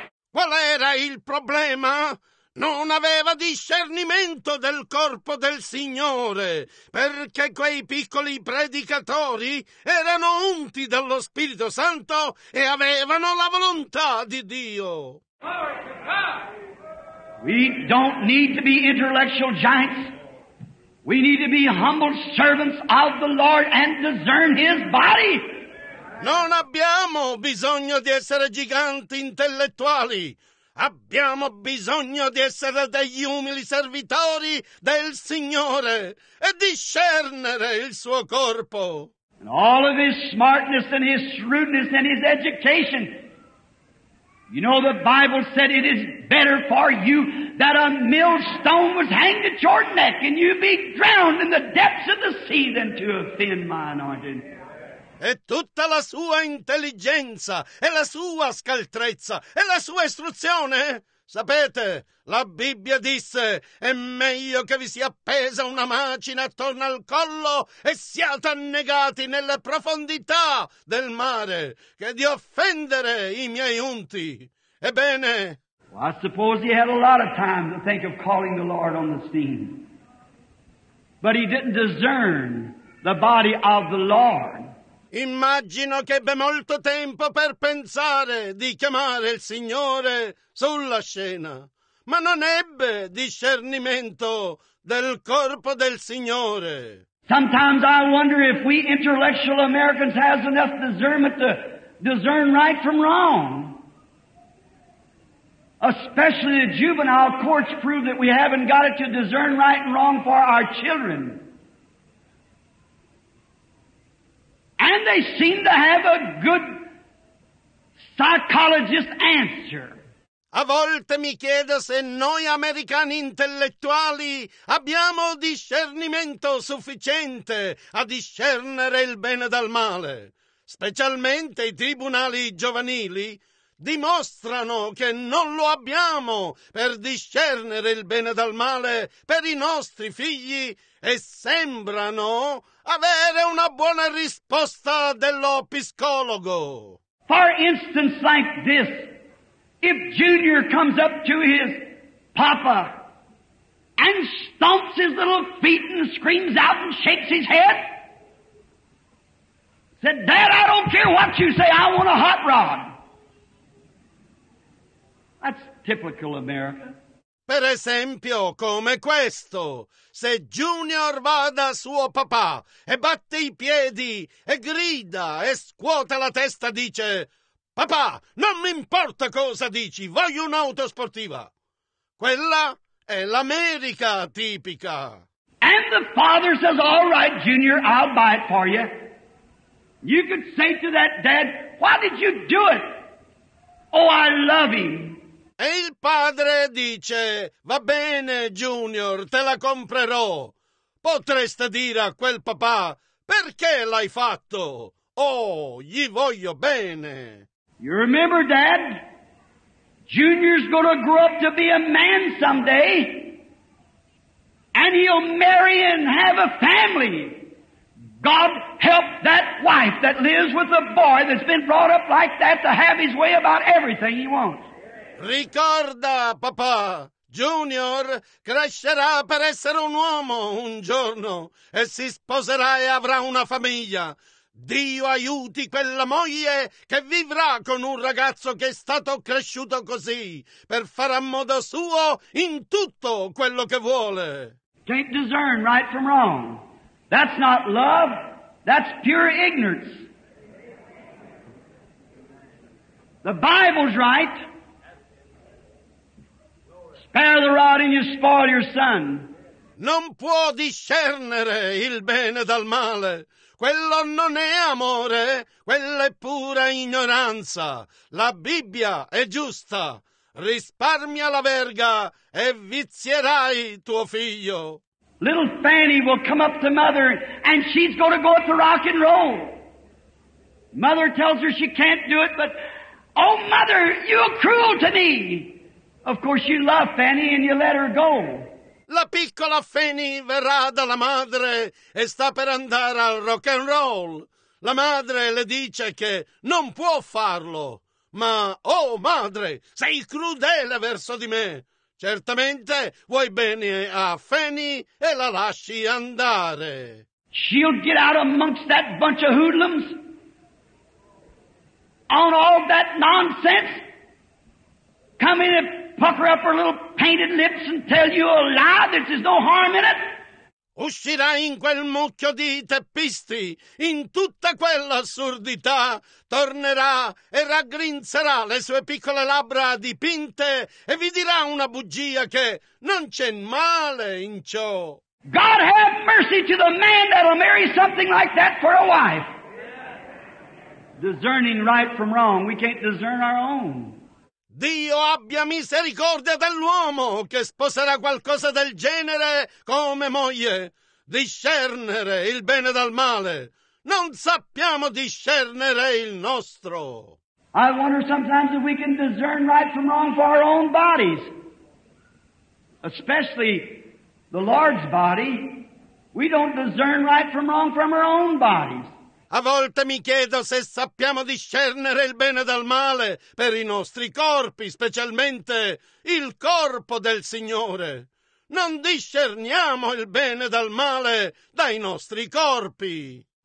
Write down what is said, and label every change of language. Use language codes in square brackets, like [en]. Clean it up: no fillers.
[it] Qual era il problema? Non aveva discernimento del corpo del Signore, perché quei piccoli predicatori erano unti dallo Spirito Santo e avevano la volontà di Dio. [en] We don't need to be intellectual giants. We need to be humble servants of the Lord and discern His body. [it] Non abbiamo bisogno di essere giganti intellettuali. Abbiamo bisogno di essere degli umili servitori del Signore e discernere il suo corpo. [en] And all of his smartness and his shrewdness and his education. You know the Bible said it is better for you that a millstone was hanged at your neck and you be drowned in the depths of the sea than to offend my anointed. [it] E tutta la sua intelligenza, e la sua scaltrezza, e la sua istruzione. Sapete, la Bibbia disse, è meglio che vi sia appesa una macina attorno al collo e siate annegati nelle profondità del mare, che di offendere i miei unti. Ebbene. [en] Well, I suppose he had a lot of time to think of calling the Lord on the scene. But he didn't discern the body of the Lord. [it] Immagino che ebbe molto tempo per pensare di chiamare il Signore sulla scena, ma non ebbe discernimento del corpo del Signore. [en] Sometimes I wonder if we intellectual Americans have enough discernment to discern right from wrong. Especially the juvenile courts prove that we haven't got it to discern right and wrong for our children. And they seem to have a good psychologist answer. [it] A volte mi chiedo se noi americani intellettuali abbiamo discernimento sufficiente a discernere il bene dal male. Specialmente i tribunali giovanili dimostrano che non lo abbiamo per discernere il bene dal male per i nostri figli e sembrano avere una buona risposta dello psicologo. [en] For instance, like this. If Junior comes up to his papa and stomps his little feet and screams out and shakes his head, said, Dad, I don't care what you say, I want a hot rod. That's typical America. [it] Per esempio, come questo, se Junior va da suo papà e batte i piedi e grida e scuote la testa, dice... Papà, non mi importa cosa dici, voglio un'auto sportiva. Quella è l'America tipica. [en] And the father says, all right, Junior, I'll buy it for you. You could say to that dad, why did you do it? Oh, I love him. [it] E il padre dice, va bene, Junior, te la comprerò. Potreste dire a quel papà, perché l'hai fatto? Oh, gli voglio bene. [en] You remember, Dad? Junior's gonna grow up to be a man someday. And he'll marry and have a family. God help that wife that lives with a boy that's been brought up like that to have his way about everything he wants. [it] Ricorda, papà, Junior crescerà per essere un uomo un giorno e si sposerà e avrà una famiglia. Dio aiuti quella moglie che vivrà con un ragazzo che è stato cresciuto così per fare a modo suo in tutto quello che vuole. [en] Can't discern right from wrong. That's not love. That's pure ignorance. The Bible's right. Spare the rod and you spoil your son. [it] Non può discernere il bene dal male. Quello non è amore, quella è pura ignoranza. La Bibbia è giusta. Risparmia la verga e vizierai tuo figlio. [en] Little Fanny will come up to mother and she's going to go up to rock and roll. Mother tells her she can't do it, but, oh mother, you're cruel to me. Of course you love Fanny and you let her go. [it] La piccola Fanny verrà dalla madre e sta per andare al rock and roll. La madre le dice che non può farlo. Ma, oh madre, sei crudele verso di me. Certamente vuoi bene a Fanny e la lasci andare. [en] She'll get out amongst that bunch of hoodlums on all that nonsense. Come in a... Pucker up her little painted lips and tell you a lie that there's no harm in it? [it] Uscirà in quel mucchio di teppisti, in tutta quell'assurdità, tornerà e raggrinzerà le sue piccole labbra dipinte e vi dirà una bugia che non c'è male in ciò. [en] God have mercy to the man that'll marry something like that for a wife. Discerning right from wrong, we can't discern our own. [it] Dio abbia misericordia dell'uomo che sposerà qualcosa del genere come moglie. Discernere il bene dal male. Non sappiamo discernere il nostro. [en] I wonder sometimes if we can discern right from wrong for our own bodies. Especially the Lord's body. We don't discern right from wrong from our own bodies. [it] A volte mi chiedo se sappiamo discernere il bene dal male per i nostri corpi, specialmente il corpo del Signore. Non discerniamo il bene dal male dai nostri corpi.